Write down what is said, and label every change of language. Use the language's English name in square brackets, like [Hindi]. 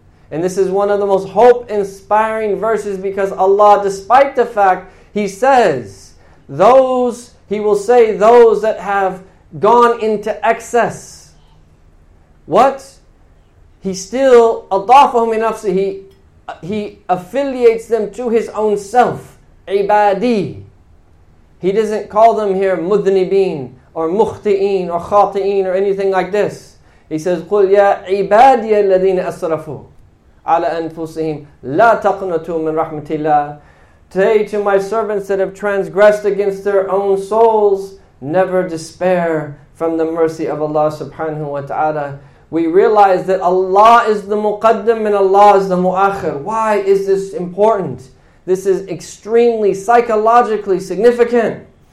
[English] And this is one of the most hope-inspiring verses, because Allah, despite the fact, He says, those that have gone into excess. What? He still, [Arabic] أَضَافَهُمْ إِلَىٰ نَفْسِهِ, [English] He affiliates them to His own self. Ibadi. He doesn't call them here mudhnibin or mukhti'in or khati'in or anything like this. He says, [Arabic] قُلْ يَا عِبَادِيَ الَّذِينَ أَسْرَفُوا عَلَىٰ أَنفُسِهِمْ لَا تَقْنَتُوا مِنْ رَحْمَةِ اللَّهِ. [English] Say to My servants that have transgressed against their own souls, never despair from the mercy of Allah subhanahu wa ta'ala. We realize that Allah is the Muqaddim and Allah is the Mu'akhir. Why is this important? This is extremely psychologically significant.